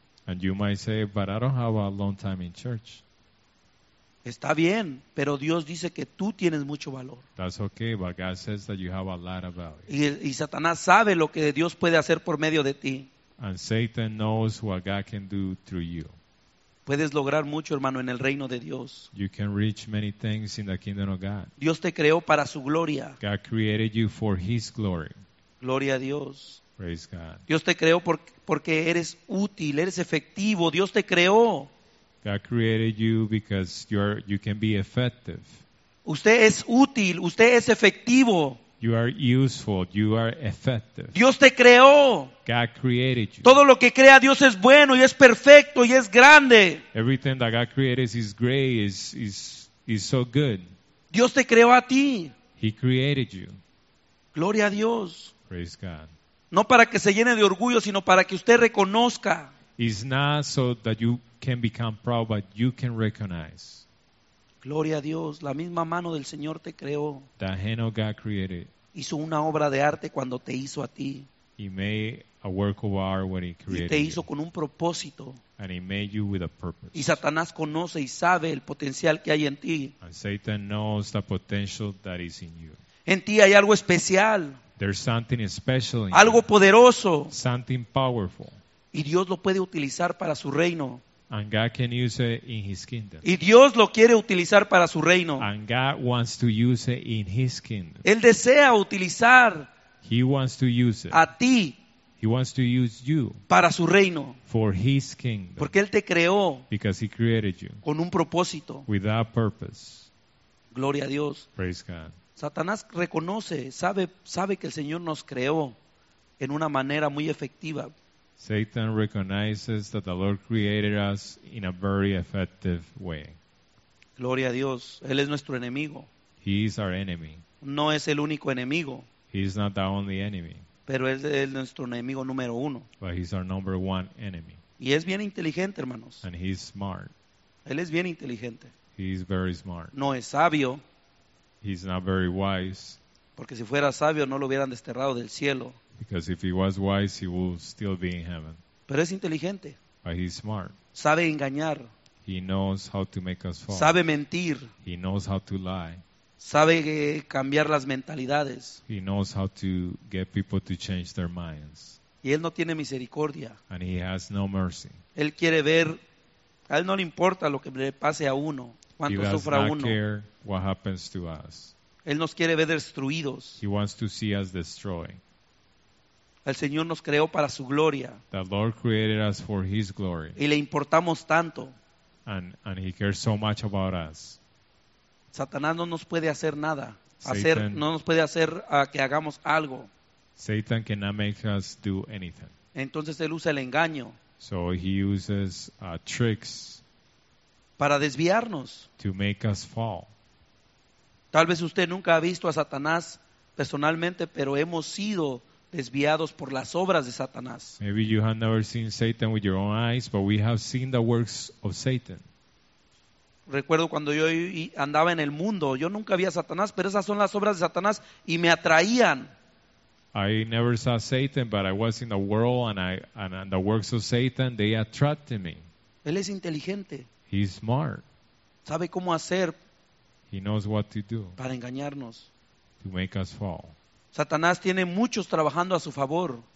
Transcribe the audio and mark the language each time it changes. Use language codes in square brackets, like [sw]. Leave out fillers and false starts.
[en] And you might say, but I don't have a long time in church. [es] Está bien, pero Dios dice que tú tienes mucho valor. [en] That's okay, but God says that you have a lot of value. [es] Y Satanás sabe lo que Dios puede hacer por medio de ti. [en] And Satan knows what God can do through you. [es] Puedes lograr mucho, hermano, en el reino de Dios. [en] You can reach many things in the kingdom of God. [es] Dios te creó para su gloria. [en] God created you for his glory. [es] Gloria a Dios. [en] Praise God. [es] Dios te creó porque eres útil, eres efectivo. Dios te creó. [en] God created you because you can be effective. [es] Usted es útil, usted es efectivo. [en] You are useful, you are effective. [es] Dios te creó. [en] God created you. [es] Todo lo que crea Dios es bueno y es perfecto y es grande. [en] Everything that God created is great, is so good. [es] Dios te creó a ti. [en] He created you. [es] Gloria a Dios. [en] Praise God. [es] No para que se llene de orgullo, sino para que usted reconozca. [en] It's not so that you can become proud, but you can recognize. [es] Gloria a Dios, la misma mano del Señor te creó. [en] The hand of God created. [es] Hizo una obra de arte cuando te hizo a ti. [en] He made a work of art when he created you. [es] Y te hizo con un propósito. [en] And he made you with a purpose. [es] Y Satanás conoce y sabe el potencial que hay en ti. [en] And Satan knows the potential that is in you. [es] En ti hay algo especial. [en] There's something special in [es] algo [en] you. [es] Poderoso. [en] Something powerful. [es] Y Dios lo puede utilizar para su reino. [en] And God can use it in his kingdom. [es] Y Dios lo quiere utilizar para su reino. [en] And God wants to use it in his kingdom. [es] Él desea utilizar. [en] He wants to use it. [es] A ti. [en] He wants to use you. [es] Para su reino. [en] For his kingdom. [es] Porque él te creó. [en] Because he created you. [es] Con un propósito. [en] With a purpose. [es] Gloria a Dios. [en] Praise God. [es] Satanás reconoce, sabe que el Señor nos creó en una manera muy efectiva. [en] Satan recognizes that the Lord created us in a very effective way. [es] Gloria a Dios, él es nuestro enemigo. [en] He is our enemy. [es] No es el único enemigo. [en] He is not the only enemy. [es] Pero es el nuestro enemigo número uno. [en] But he's our number one enemy. [es] Y es bien inteligente, hermanos. [en] And he's smart. [es] Él es bien inteligente. [en] He is very smart. [es] No es sabio. [en] He's not very wise. [es] Porque si fuera sabio no lo hubieran desterrado del cielo. [en] Because if he was wise, he would still be in heaven. [es] Pero es inteligente. [en] But he's smart. [es] Sabe engañar. [en] He knows how to make us fall. [es] Sabe mentir. [en] He knows how to lie. [es] Sabe cambiar las mentalidades. [en] He knows how to get people to change their minds. [es] Y él no tiene misericordia. [en] And he has no mercy. [es] Él quiere ver. A él no le importa lo que le pase a uno, cuánto sufra uno. [en] He does not care what happens to us. [es] Él nos quiere ver destruidos. [en] He wants to see us destroyed. [es] El Señor nos creó para su gloria. [en] The Lord created us for his glory. [es] Y le importamos tanto. [en] And he cares so much about us. [es] Satanás no nos puede hacer nada. No nos puede hacer a que hagamos algo. [en] Satan cannot make us do anything. [es] Entonces él usa el engaño. [en] So he uses tricks [es] para desviarnos. [en] To make us fall. [es] Tal vez usted nunca ha visto a Satanás personalmente, pero hemos sido desviados por las obras de Satanás. [en] Maybe you have never seen Satan with your own eyes, but we have seen the works of Satan. [es] Recuerdo cuando yo andaba en el mundo, yo nunca vi a Satanás, pero esas son las obras de Satanás y me atraían. [en] I never saw Satan, but I was in the world and the works of Satan, they attracted me. [es] Él es inteligente. [en] He's smart. [es] Sabe cómo hacer. [en] He knows what to do. [es] Para engañarnos. [en] To make us fall. [es] Satanás tiene muchos trabajando a su favor.